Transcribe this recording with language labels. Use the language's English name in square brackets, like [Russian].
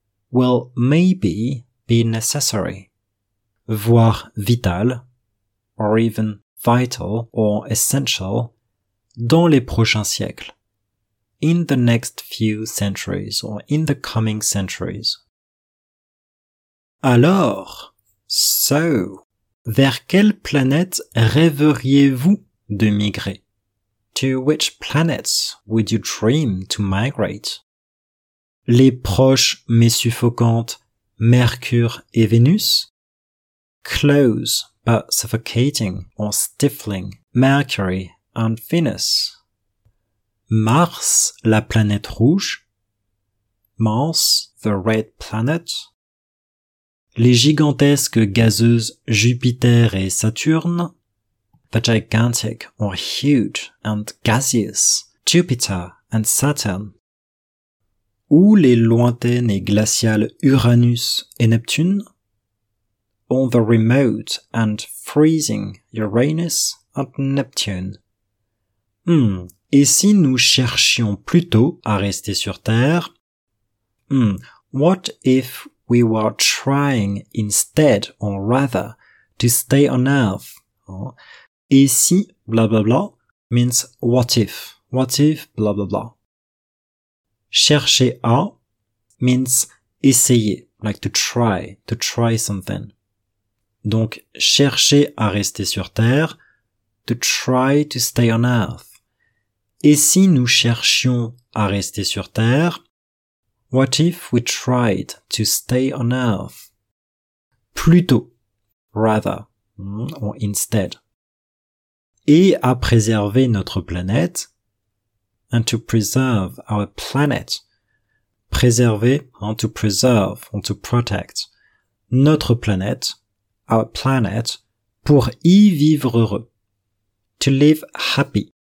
[English] Will maybe be necessary, [French] voire vital, [English] or even vital or essential, [French] dans les prochains siècles, [English] in the next few centuries or in the coming centuries. [French] Alors, so, vers quelle planète rêveriez-vous de migrer? [English] To which planets would you dream to migrate? [French] Les proches mais suffocantes Mercure et Vénus? [English] Close but suffocating or stifling Mercury and Venus? [French] Mars, la planète rouge? [English] Mars, the red planet? [French] Les gigantesques gazeuses Jupiter et Saturne? [English] The gigantic or huge and gaseous Jupiter and Saturn? [French] Ou les lointaines et glaciales Uranus et Neptune? [English] Or the remote and freezing Uranus and Neptune? [French] Et si nous cherchions plutôt à rester sur Terre? [English] What if we were trying instead or rather to stay on Earth? [French] Et si, blah blah blah, [English] means what if, blah blah blah. [French] Chercher à [English] means essayer, like to try something. [French] Donc, chercher à rester sur Terre, [English] to try to stay on Earth. [French] Et si nous cherchions à rester sur Terre? [English] What if we tried to stay on Earth? [French] Plutôt, [English] rather, or instead. [French] Et à préserver notre planète, [English] and to preserve our planet, [French] préserver, [English] and to preserve, and to protect, [French] notre planète, [English] our planet, [French] pour y vivre heureux, [English] to live happy.